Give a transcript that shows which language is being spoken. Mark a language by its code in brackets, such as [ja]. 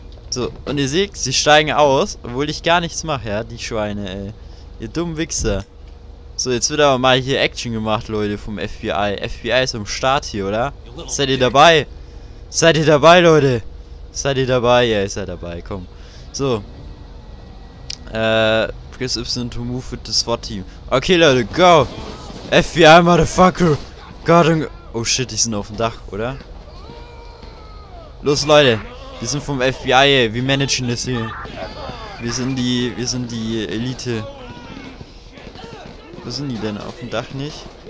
[de] So, und ihr seht, sie steigen aus, obwohl ich gar nichts mache, ja, die Schweine, ey. Ihr dummen Wichser. So, jetzt wird aber mal hier Action gemacht, Leute, vom FBI. FBI ist am Start hier, oder? Seid ihr dabei? Seid ihr dabei, Leute? Seid ihr dabei? Ja, ist er dabei, komm. So. [en] Press Y to move with the SWAT team. Okay, [de] Leute, [en] go! FBI, motherfucker! [de] Oh shit, die sind auf dem Dach, oder? Los, Leute! Wir sind vom FBI, ey. Wir managen das hier. Wir sind die Elite. Wo sind die denn? Auf dem Dach nicht?